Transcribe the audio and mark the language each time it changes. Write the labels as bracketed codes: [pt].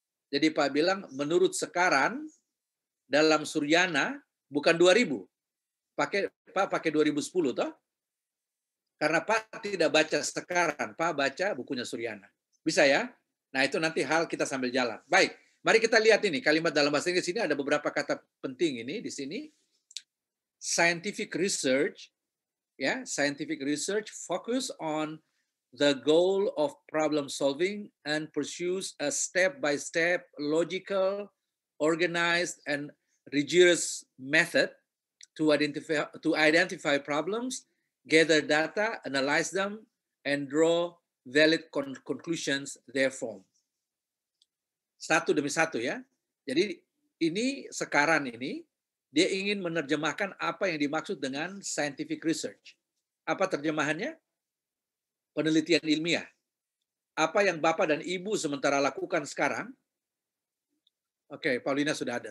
[id] Jadi Pak bilang menurut sekarang dalam Suryana bukan 2000. Pak pakai 2010 toh? Karena Pak tidak baca sekarang, Pak baca bukunya Suryana. Bisa ya? Nah, itu nanti hal kita sambil jalan. Baik, mari kita lihat ini kalimat dalam bahasa Inggris ini ada beberapa kata penting ini di sini. [en] Scientific research focus on the goal of problem solving and pursues a step-by-step logical, organized, and rigorous method to identify problems, gather data, analyze them, and draw valid conclusions therefrom. [id] Satu demi satu ya. Jadi ini sekarang ini, dia ingin menerjemahkan apa yang dimaksud dengan scientific research. Apa terjemahannya? Penelitian ilmiah. Apa yang Bapak dan Ibu sementara lakukan sekarang? Oke, Paulina sudah ada.